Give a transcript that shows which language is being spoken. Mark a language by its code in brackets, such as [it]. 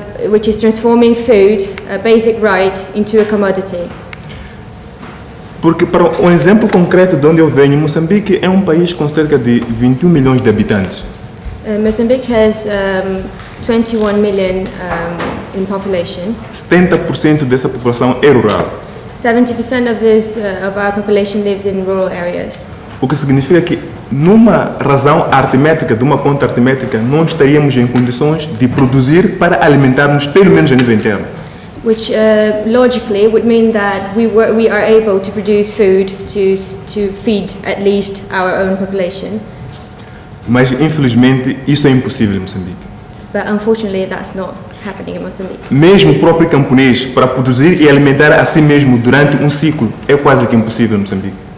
[en] Which is transforming food, a basic right, into a commodity. [pt] Porque para um exemplo concreto de onde eu venho, Moçambique é um país com cerca de 21 milhões de habitantes. [en] Moçambique has 21 million in population. [pt] 70% dessa população é rural. [en] 70% of this of our population lives in rural areas. [pt] O que significa que numa razão aritmética, de uma conta aritmética, não estaríamos em condições de produzir para alimentarmos pelo menos a nível interno. [en] Which logically would mean that we are able to produce food to feed at least our own population. [pt] Mas infelizmente isso é impossível em Moçambique. [en] But unfortunately that's not happening in Mozambique. [pt] Mesmo o próprio camponês para produzir e alimentar a si mesmo durante ciclo é quase que impossível em Moçambique.